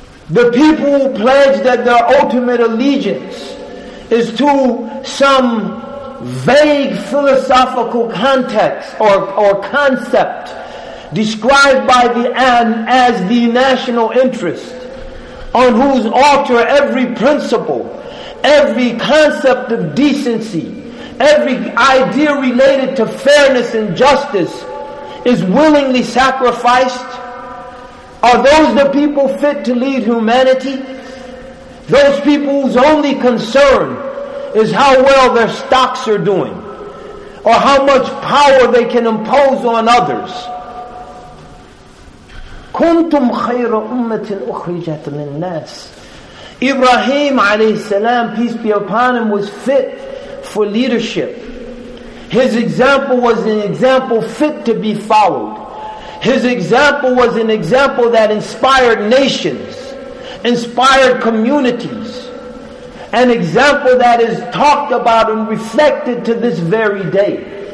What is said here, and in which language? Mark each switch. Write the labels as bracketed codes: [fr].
[en] The people who pledge that their ultimate allegiance is to some vague philosophical context or concept described by the end as the national interest, on whose altar every principle, every concept of decency, every idea related to fairness and justice is willingly sacrificed? Are those the people fit to lead humanity? Those people whose only concern is how well their stocks are doing, or how much power they can impose on others. [ar] كنتم خير أمة أخرجت للناس. [en] Ibrahim alayhi salam, peace be upon him, was fit for leadership. His example was an example fit to be followed. His example was an example that inspired nations, inspired communities, an example that is talked about and reflected to this very day.